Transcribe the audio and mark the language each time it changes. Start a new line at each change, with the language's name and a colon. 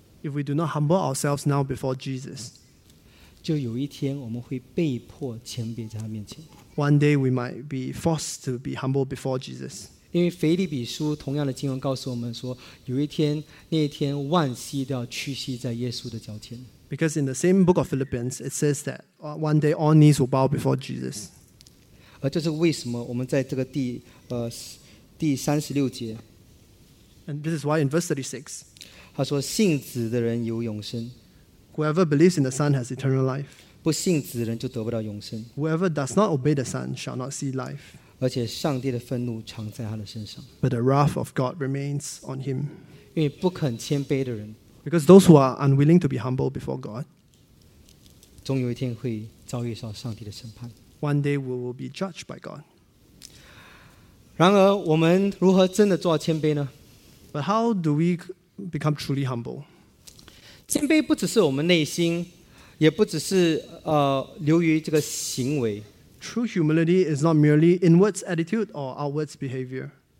English: if we do not humble ourselves now before Jesus,
Chinese: 就有一天我们会被迫谦卑在他面前。
English: One day we might be forced to be humble before Jesus.
Chinese: 因为腓立比书同样的经文告诉我们说, 有一天, 那一天万膝都要屈膝在耶稣的脚前。
English: Because in the same book of Philippians, it says that one day all knees will bow before Jesus.
Chinese: 这是为什么我们在这个第36节,
English: and this is why in verse 36,
Chinese: 他说信子的人有永生,
English: whoever believes in the Son has eternal life.
Chinese: 不信子的人就得不到永生,
English: whoever does not obey the Son shall not see life.
Chinese: 而且上帝的愤怒常在他的身上,
English: but the wrath of God remains on him.
Chinese: 因为不肯谦卑的人,
English: because those who are unwilling to be humble before God, one day we will be judged by God.
Chinese: 然而我们如何真的做到谦卑呢?
English: But how do we become truly humble?
Chinese: 谦卑不只是我们内心, 也不只是, 流于这个行为。
English: True humility is not merely inwards attitude or outwards behavior.